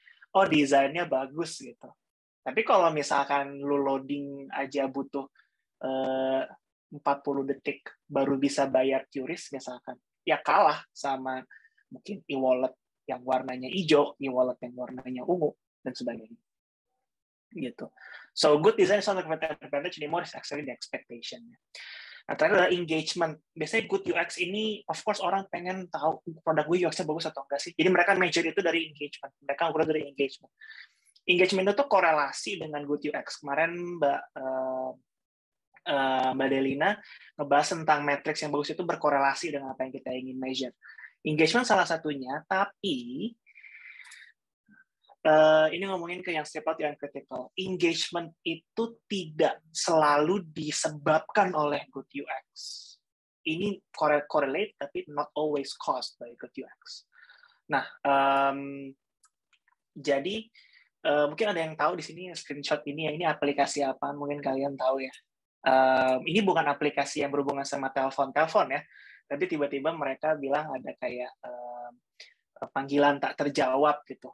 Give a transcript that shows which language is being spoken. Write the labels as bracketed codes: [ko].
[id] Oh, desainnya bagus gitu. Tapi kalau misalkan lu loading aja butuh 40 detik baru bisa bayar QRIS misalkan, ya kalah sama mungkin e-wallet yang warnanya hijau, e-wallet yang warnanya ungu, dan sebagainya. Gitu. [en] So, good design is not the advantage anymore, it's actually the expectation-nya. [id] Nah, terakhir adalah engagement. Biasanya good UX ini, [en] of course, [id] orang pengen tahu produk gue UX-nya bagus atau enggak sih. Jadi mereka measure itu dari engagement. Mereka ukur dari engagement. Engagement itu korelasi dengan good UX. Kemarin Mbak Delina ngebahas tentang metrics yang bagus itu berkorelasi dengan apa yang kita ingin measure. Engagement salah satunya, tapi ini ngomongin ke yang sifat yang critical. Engagement itu tidak selalu disebabkan oleh good UX. Ini [en] correlate, [id] tapi [en] not always caused by good UX. [id] Nah, jadi mungkin ada yang tahu di sini screenshot ini, ya, ini aplikasi apa? Mungkin kalian tahu ya. Ini bukan aplikasi yang berhubungan sama telepon-telepon ya. Tapi tiba-tiba mereka bilang ada kayak panggilan tak terjawab gitu.